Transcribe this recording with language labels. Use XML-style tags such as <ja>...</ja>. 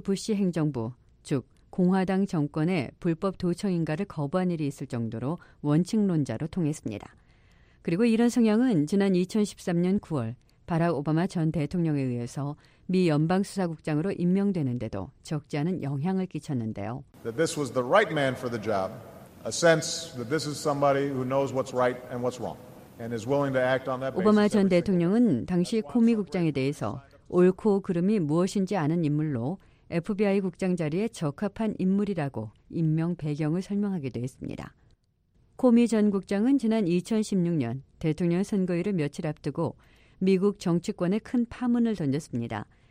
<ko>부시 행정부, 즉 공화당 정권의 불법 도청인가를 거부한 일이 있을 정도로 원칙론자로 통했습니다. 그리고 이런 성향은 지난 2013년 9월 바락 오바마 전 대통령에 의해서 미 연방수사국장으로 임명되는데도 적지 않은 영향을 끼쳤는데요.</ko> <en>That this was the right man for the job. A sense that this is somebody who knows what's right and what's wrong and is willing to act on that basis.</en> <ko>오바마 전 대통령은 당시 코미 국장에 대해서 옳고 그름이 무엇인지 아는 인물로 FBI 국장 자리에 적합한 인물이라고 임명 배경을 설명하기도 했습니다. 코미 전 국장은 지난 2016년 대통령 선거일을 며칠 앞두고 미국 정치권에 큰 파문을 던졌습니다.</ko>